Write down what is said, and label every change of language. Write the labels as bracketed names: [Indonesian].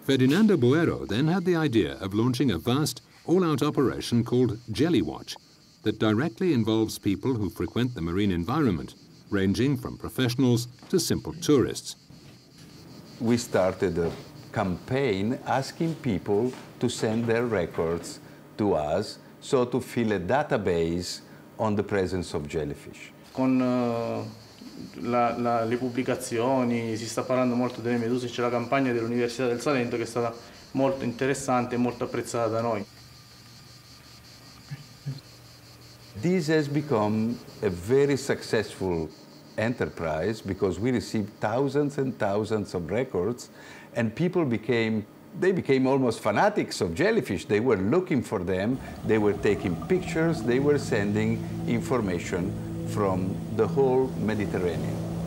[English] Ferdinando Boero then had the idea of launching a vast all-out operation called Jelly Watch that directly involves people who frequent the marine environment, ranging from professionals to simple tourists. We started a campaign asking people to send their records to us, so to fill a database on the presence of jellyfish. [Italian] Con le pubblicazioni, si sta parlando molto delle meduse, c'è la campagna dell'Università del Salento che è stata molto interessante e molto apprezzata da noi. [English] This has become a very successful enterprise because we received thousands and thousands of records, and people became almost fanatics of jellyfish. They were looking for them, they were taking pictures, they were sending information from the whole Mediterranean.